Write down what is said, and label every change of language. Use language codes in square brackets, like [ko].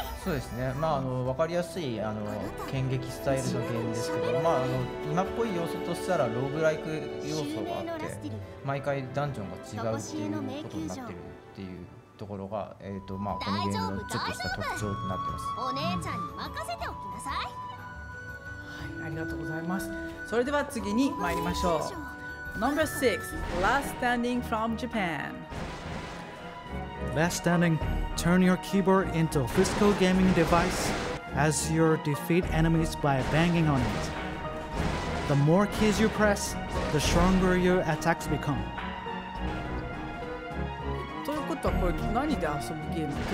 [ja] そうですね、まあ分かりやすい剣撃スタイルのゲームですけど、まあ今っぽい要素としたらローグライク要素があって、毎回ダンジョンが違うっていうことになってるっていうところが、このゲームのちょっとした特徴になってます。お姉ちゃんに任せておきなさい。はい、ありがとうございます。それでは次に参りましょう。 [en] Number 6 Last Standing from Japan Last Standing, turn your keyboard into a physical gaming device as you defeat enemies by banging on it. The more keys you press, the stronger your attacks become. [ja] ということはこれ何で遊ぶゲーム？